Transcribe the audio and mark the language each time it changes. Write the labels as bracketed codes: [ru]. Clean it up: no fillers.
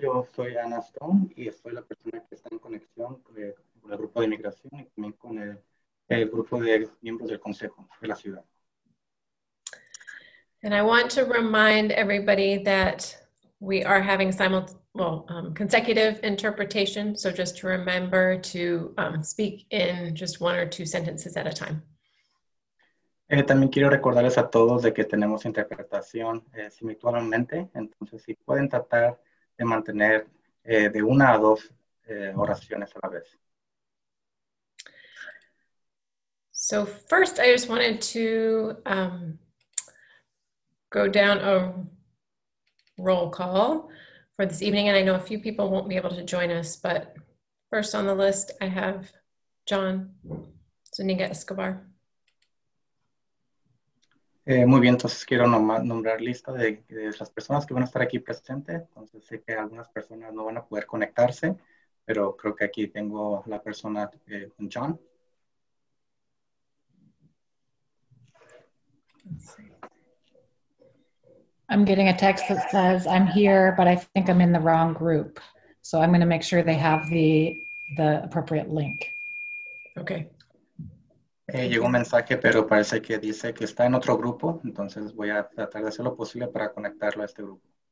[es] Yo soy Ana Stone y soy la persona que está en conexión con el grupo de inmigración y también con el grupo de miembros del Consejo de la Ciudad. [en] And I want to remind everybody that we are having consecutive interpretation. So just to remember to speak in just one or two sentences at a time. [es] También quiero recordarles a todos de que tenemos interpretación simultáneamente. Entonces, si pueden tratar de mantener de una a dos oraciones a la vez. [en] So first, I just wanted to go down a roll call for this evening. And I know a few people won't be able to join us, but first on the list, I have John Zuniga Escobar. [es] Muy bien, entonces quiero nombrar lista de las personas que van a estar aquí presentes. Entonces sé que algunas personas no van a poder conectarse, pero creo que aquí tengo la persona con John. [en] I'm getting a text that says I'm here, but I think I'm in the wrong group. So I'm going to make sure they have the appropriate link. Okay. [es] Llegó un mensaje, pero parece que dice que está en otro grupo. Entonces voy a tratar de hacer lo posible para conectarlo a este grupo.